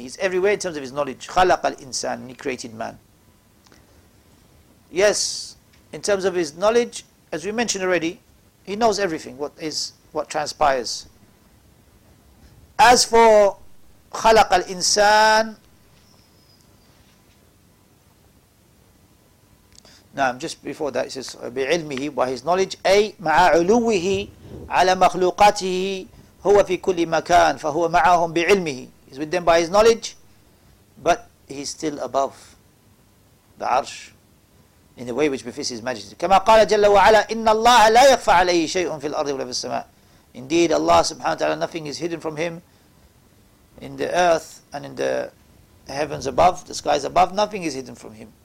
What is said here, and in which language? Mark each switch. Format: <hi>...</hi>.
<en>He's everywhere in terms of his knowledge.</en> <ar>خَلَقَ الْإِنسَانِ,</ar> <en>he created man. Yes, in terms of his knowledge, as we mentioned already, he knows everything, what transpires. As for</en> <ar>خَلَقَ الْإِنسَانِ,</ar> <en>Naam, just before that, it says,</en> <ar>بِعِلْمِهِ,</ar> <en>by his knowledge,</en> <ar>أي مَعَ عُلُوِّهِ عَلَى مَخْلُوقَاتِهِ هُوَ فِي كُلِّ مَكَانٍ فَهُوَ مَعَهُمْ بِعِلْمِهِ.</ar> <en>He's with them by his knowledge, but he's still above the arsh in the way which befits his majesty.</en> <ar>كَمَا قَالَ جَلَّ وَعَلَى إِنَّ اللَّهَ لَا يَخْفَى عَلَيْهِ شَيْءٌ فِي الْأَرْضِ وَلَا فِي السَّمَاءِ.</ar> <en>Indeed, Allah subhanahu wa ta'ala, nothing is hidden from him in the earth and in the heavens above, the skies above, nothing is hidden from him.</en>